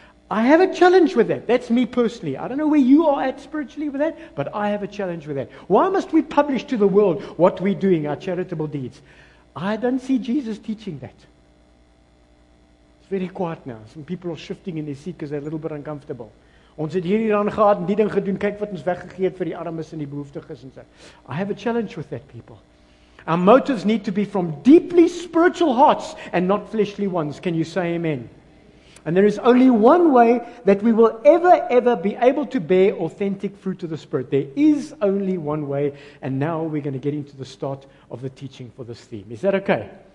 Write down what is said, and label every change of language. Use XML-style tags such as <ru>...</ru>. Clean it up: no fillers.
<en>I have a challenge with that. That's me personally. I don't know where you are at spiritually with that, but I have a challenge with that. Why must we publish to the world what we're doing, our charitable deeds? I don't see Jesus teaching that. It's very quiet now. Some people are shifting in their seat because they're a little bit uncomfortable.</en> <af>Ons het hier aan gehad en die ding gedoen, kyk wat ons weggegee het vir die armes en die behoeftiges en so.</af> <en>I have a challenge with that, people. Our motives need to be from deeply spiritual hearts and not fleshly ones. Can you say amen? And there is only one way that we will ever, ever be able to bear authentic fruit of the Spirit. There is only one way, and now we're going to get into the start of the teaching for this theme. Is that okay?</en>